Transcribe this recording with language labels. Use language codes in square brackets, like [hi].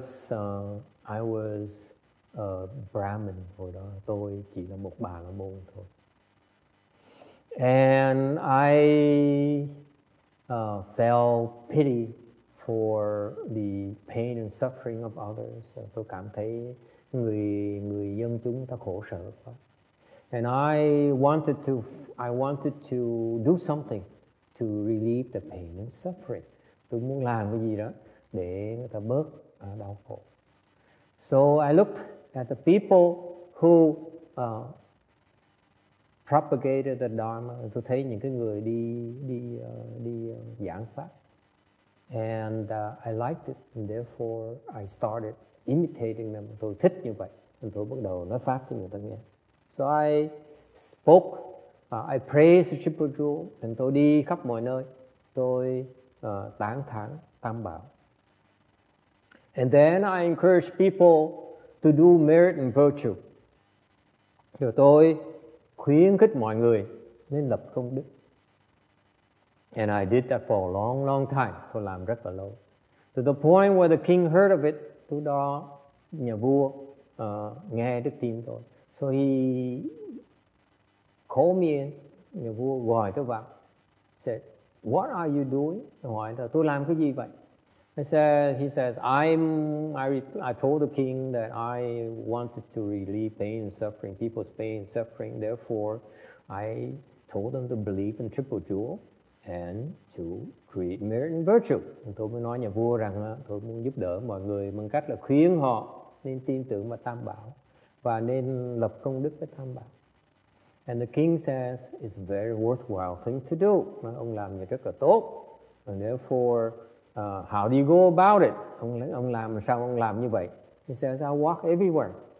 [en] I was a Brahmin [vi] hồi đó. Tôi chỉ là một bà la môn thôi. [en] And I felt pity for the pain and suffering of others. [vi] Tôi cảm thấy người dân chúng ta khổ sở quá. [en] And I wanted to do something to relieve the pain and suffering. [vi] Tôi muốn làm cái gì đó để người ta bớt đau khổ. [en] So I looked at the people who propagated the Dharma. [vi] Tôi thấy những cái người đi giảng pháp, [en] and I liked it. And therefore, I started imitating them. [vi] Tôi thích như vậy, nên tôi bắt đầu nói pháp cho người ta nghe. [en] So I spoke, I praised Chipuju, and [vi] tôi đi khắp mọi nơi, tôi tán thán Tam Bảo. [en] And then I encourage people to do merit and virtue. [vi] Rồi tôi khuyến khích mọi người nên lập công đức. [en] And I did that for a long, long time. [vi] Tôi làm rất là lâu. [en] To the point where the king heard of it, [vi] từ đó nhà vua nghe được tin tôi. [en] So he called me in. [vi] Nhà vua gọi tôi vào. [en] Said, what are you doing? [vi] Hỏi tôi làm cái gì vậy? [en] He says, I told the king that I wanted to relieve pain and suffering, people's pain and suffering. Therefore, I told them to believe in triple jewel and to create merit and virtue. [vi] Tôi mới nói nhà vua rằng tôi muốn giúp đỡ mọi người bằng cách là khuyến họ nên tin tưởng vào Tam Bảo và nên lập công đức với Tam Bảo. [en] And the king says it's a very worthwhile thing to do. [vi] Ông làm việc rất là tốt. [en] And therefore, how do you go about it? [vi] Ông làm sao ông làm như vậy? [en] He says, I walk everywhere.